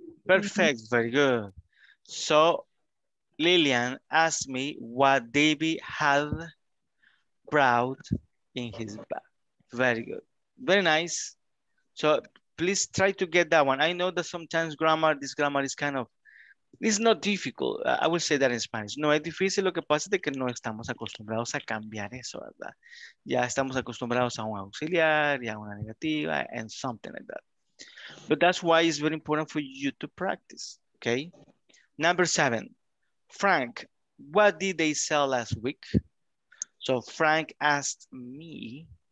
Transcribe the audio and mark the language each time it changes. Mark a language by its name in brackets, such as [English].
[English] Perfect, very good. So Lillian asked me what David had brought in his bag. Very good, very nice. So please try to get that one. I know that sometimes grammar, this grammar is kind of, it's not difficult. I will say that in Spanish. [Spanish] No es difícil, lo que pasa es que no estamos acostumbrados a cambiar eso, ¿verdad? Ya estamos acostumbrados a un auxiliar y a una negativa [English] and something like that. But that's why it's very important for you to practice, okay? Number seven, Frank, what did they sell last week? So Frank asked me.